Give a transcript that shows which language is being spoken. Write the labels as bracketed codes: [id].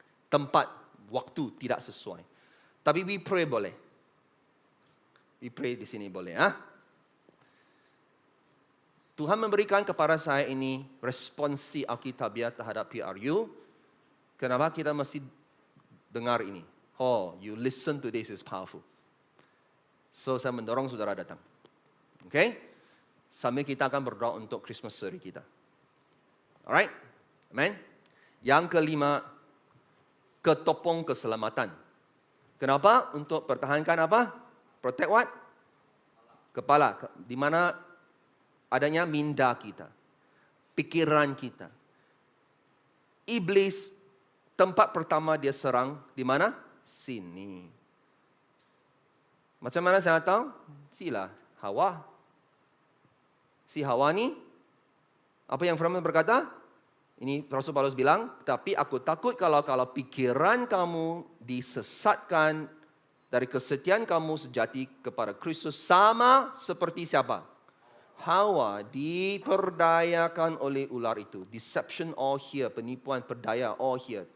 [ms] Tempat, waktu tidak sesuai. Tapi [en] we pray [ms] boleh. [en] We pray [ms] di sini boleh. Ya? Tuhan memberikan kepada saya ini responsi Alkitabiah terhadap PRU. Kenapa kita masih dengar ini? [en] Oh, you listen to this is powerful. [ms] So, saya mendorong saudara datang. Okay? Sambil kita akan berdoa untuk Christmas story kita. Alright? Amen? Yang kelima, ketopong keselamatan. Kenapa? Untuk pertahankan apa? [en] Protect what? [ms] Kepala. Di mana adanya minda kita. Pikiran kita. Iblis, tempat pertama dia serang, di mana? Sini. Macam mana saya tahu? Sila, Hawa. Si Hawa ni, apa yang Firman berkata? Ini Rasul Paulus bilang, tapi aku takut kalau pikiran kamu disesatkan dari kesetiaan kamu sejati kepada Kristus, sama seperti siapa? Hawa diperdayakan oleh ular itu. [en] Deception all here, [ms] penipuan perdaya [en] all here.